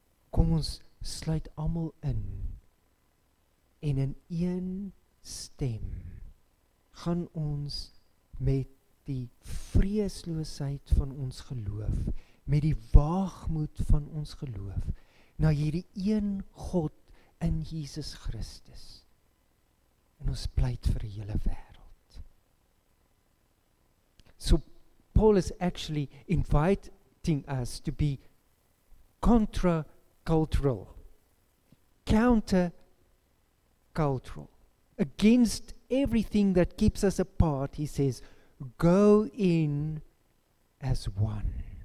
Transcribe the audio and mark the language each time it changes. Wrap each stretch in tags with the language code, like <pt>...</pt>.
<af>Kom ons sluit almal in. En in een stem gaan ons met die vreesloosheid van ons geloof, met die waagmoed van ons geloof, na hierdie een God in Jesus Christus. En ons pleit vir die hele wêreld.</af> <en>So Paul is actually inviting us to be contra-cultural, counter-cultural, against everything that keeps us apart, he says, go in as one.</en>